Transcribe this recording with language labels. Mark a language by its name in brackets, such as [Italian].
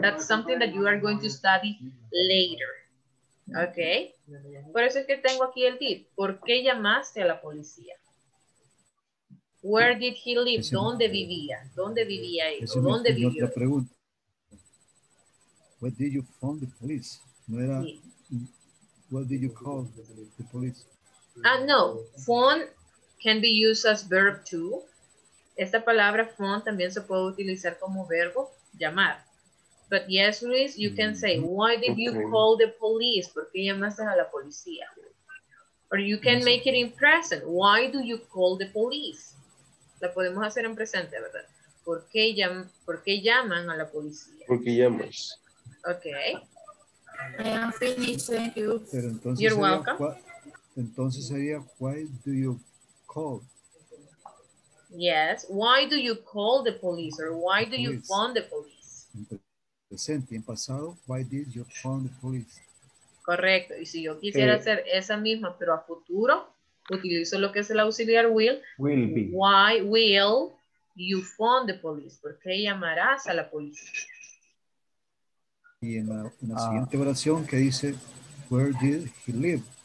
[English] That's something that you are going to study later, ok. [Spanish] Por eso es que tengo aquí el did. ¿Por qué llamaste a la policía? [English] Where did he live? [Spanish] Ese ¿dónde vivía? ¿Dónde vivía él? ¿Dónde vivía? Otra pregunta. [English] Where did you phone the police? [Spanish] No era, sí. [English] What did you call the police? No, phone can be used as verb too. [Spanish] Esta palabra phone también se puede utilizar como verbo, llamar. [English] But yes, Luis, you can say, why did you call the police? [Spanish] ¿Por qué llamaste a la policía? [English] Or you can make it in present. Why do you call the police? [Spanish] La podemos hacer en presente, ¿verdad? ¿Por qué llaman a la policía? Porque llamas. [English] Okay. I am finished, thank you. You're [Spanish] sería, [English] welcome. Why do you call? Yes, why do you call the police or why do you phone the police? [Spanish] En presente, en pasado, [English] why did you phone the police? [Spanish] Correcto, y si yo quisiera hacer esa misma, pero a futuro, utilizo lo que es el auxiliar will. [English] Will be. Why will you phone the police? [Spanish] ¿Por qué llamarás a la policía? Y en la siguiente oración que dice, where did he live?